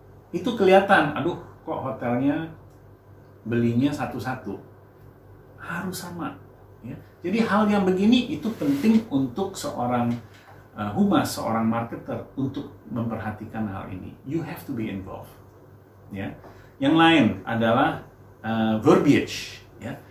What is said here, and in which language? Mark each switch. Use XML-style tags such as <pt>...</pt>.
<id>Itu kelihatan, aduh kok hotelnya belinya satu-satu. Harus sama, ya. Jadi hal yang begini itu penting untuk seorang humas, seorang marketer untuk memperhatikan hal ini.</id> <en>You have to be involved, ya.</en> <id>Yang lain adalah verbiage, ya.</id>